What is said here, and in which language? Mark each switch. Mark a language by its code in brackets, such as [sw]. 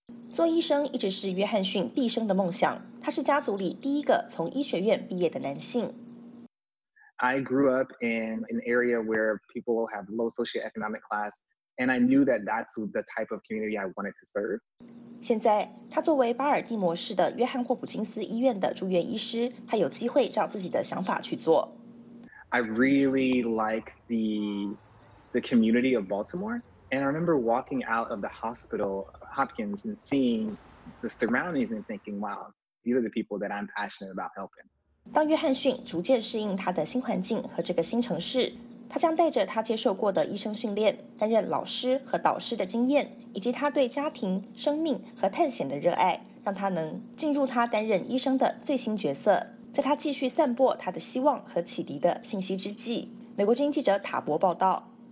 [zh] 做医生一直是约翰逊毕生的梦想。他是家族里第一个从医学院毕业的男性。 [en] I grew up in an area where people have low socioeconomic class, and I knew that that's the type of community I wanted to serve. [zh] 现在，他作为巴尔的摩市的约翰霍普金斯医院的住院医师，他有机会照自己的想法去做。 [en] I really like the community of Baltimore, and I remember walking out of the hospital, Hopkins, and seeing the surroundings and thinking, wow, these are the people that I'm passionate about helping. [zh] 当约翰逊逐渐适应他的新环境和这个新城市，他将带着他接受过的医生训练、担任老师和导师的经验，以及他对家庭、生命和探险的热爱，让他能进入他担任医生的最新角色。在他继续散播他的希望和启迪的信息之际，美国之音记者塔博报道。